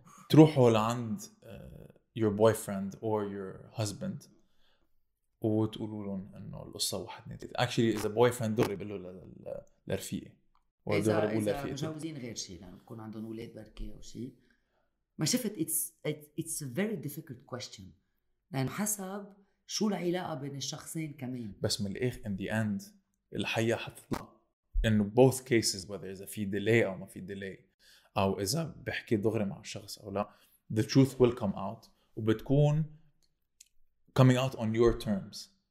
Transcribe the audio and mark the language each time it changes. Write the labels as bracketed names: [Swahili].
[Arabic] تروحوا لعند [English] your boyfriend or your husband [Arabic] وتقولوا لهم انه القصة واحد نتيت. Actually إذا بويفريند دغري بقول له لرفيقي. إذا مجوزين غير شيء لأنه بكون عندهم أولاد بركي أو شيء. [English] ما شفت it's a very difficult question. [Arabic] لأنه حسب شو العلاقة بين الشخصين كمان؟ بس من الآخر [English] in the end [Arabic] الحياة حتطلع [English] in both cases whether [Arabic] إذا في delay أو ما في delay أو إذا بحكي دغري مع الشخص أو لا [English] the truth will come out [Arabic] وبتكون [English] coming out on your terms.